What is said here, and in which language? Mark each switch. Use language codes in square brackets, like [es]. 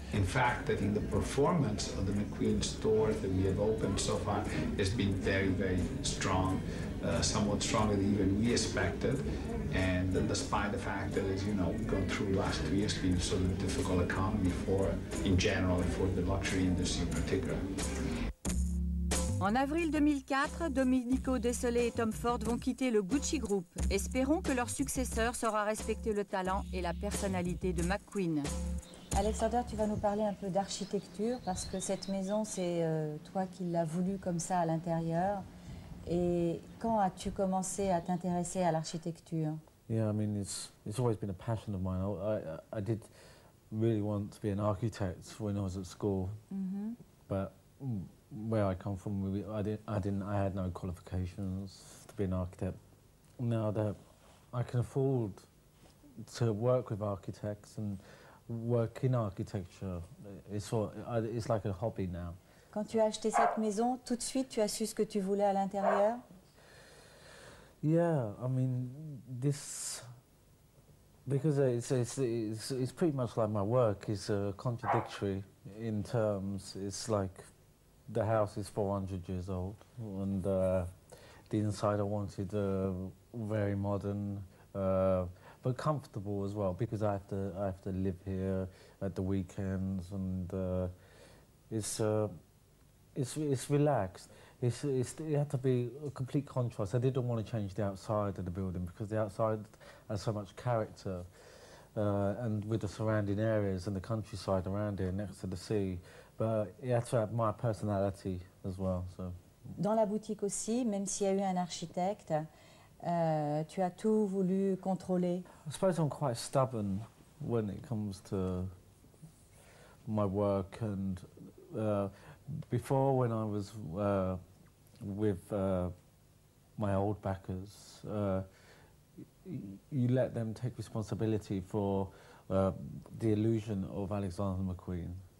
[en] In fact, I think the performance of the McQueen store that we have opened so far has been very, very strong, somewhat stronger than even we expected. And despite the fact that, as you know, we've gone through the last 3 years, it's been a sort of difficult economy for, in general, for the luxury industry in particular. [fr] En avril 2004, Domenico Desole et Tom Ford vont quitter le Gucci Group. Espérons que leur successeur saura respecter le talent et la personnalité de McQueen. Alexander, tu vas nous parler un peu d'architecture, parce que cette maison, c'est toi qui l'as voulu comme ça à l'intérieur. Et quand as-tu commencé à t'intéresser à l'architecture? [en] Yeah, I mean, it's always been a passion of mine. I did really want to be an architect when I was at school, mm-hmm. but where I come from, I had no qualifications to be an architect. Now that I can afford to work with architects and work in architecture, it's like a hobby now. [fr] Quand tu as acheté cette maison, tout de suite, tu as su ce que tu voulais à l'intérieur? [en] Yeah, I mean, this, because it's pretty much like my work, it's contradictory in terms. It's like the house is 400 years old, and the inside I wanted very modern, but comfortable as well, because I have to live here at the weekends, and it's relaxed. It had to be a complete contrast. I didn't want to change the outside of the building because the outside has so much character, and with the surrounding areas and the countryside around here next to the sea. But it had to have my personality as well. So. [fr] Dans la boutique aussi, même s'il y a eu un architecte, tu as tout voulu contrôler. [en] I suppose I'm quite stubborn when it comes to my work and. Before, when I was with my old backers, you let them take responsibility for the illusion of Alexander McQueen.